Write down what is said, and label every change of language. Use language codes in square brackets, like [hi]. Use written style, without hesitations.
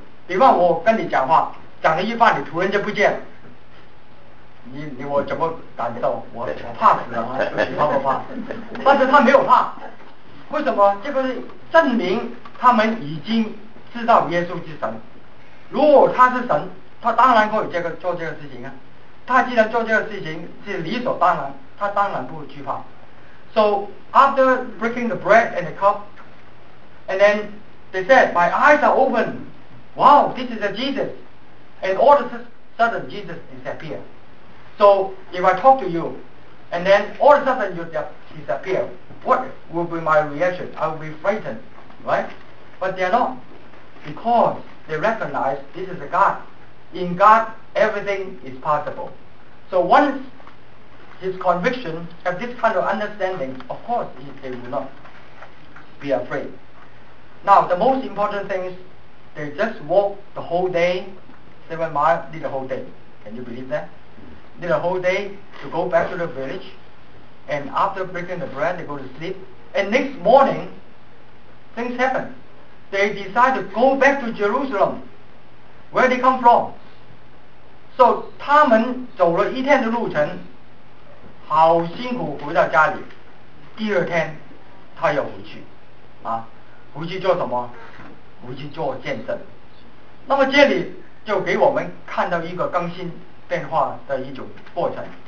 [zh] 比方我跟你讲话讲了一半，你突然间不见了，你我怎么感觉到我怕死了啊？你怕不怕？但是他没有怕，为什么？这个证明他们已经知道耶稣是神。如果他是神，他当然可以这个做这个事情啊。他既然做这个事情是理所当然，他当然不惧怕。 [en] So after breaking the bread and the cup, and then they said, "My eyes are open. Wow, this is a Jesus." And all of a sudden, Jesus disappeared. So, if I talk to you, and then all of a sudden you disappear, what will be my reaction? I will be frightened, right? But they are not, because they recognize this is a God. In God, everything is possible. So once his conviction have this kind of understanding, of course, they will not be afraid. Now, the most important thing is,They just walk the whole day, 7 miles, did the whole day. Can you believe that? Did the whole day to go back to the village. And after breaking the bread, they go to sleep. And next morning, things happen. They decide to go back to Jerusalem, where they come from. [zh] So, 他们走了一天的路程，好辛苦回到家里。第二天，他要回去。啊，回去做什么？回去做见证。那么这里就给我们看到一个更新变化的一种过程。